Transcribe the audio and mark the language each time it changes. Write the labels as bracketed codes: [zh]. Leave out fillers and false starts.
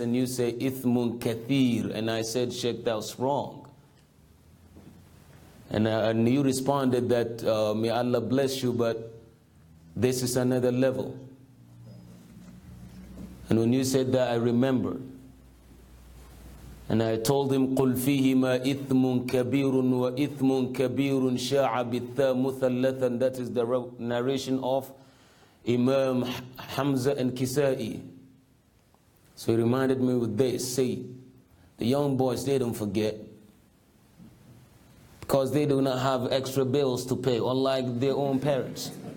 [en] And you say, [ar] إِثْمٌ كَثِيرٌ. [en] And I said, Sheikh, that's wrong. And you responded that, may Allah bless you, but this is another level. And when you said that, I remember. And I told him, [ar] قُلْ فِيهِمَا إِثْمٌ كَبِيرٌ وَإِثْمٌ كَبِيرٌ شَاعَ بِالثَّى مُثَلَّثًا. [en] That is the narration of Imam Hamza and Kisa'i. So he reminded me with this. See, the young boys, they don't forget, because they do not have extra bills to pay, unlike their own parents.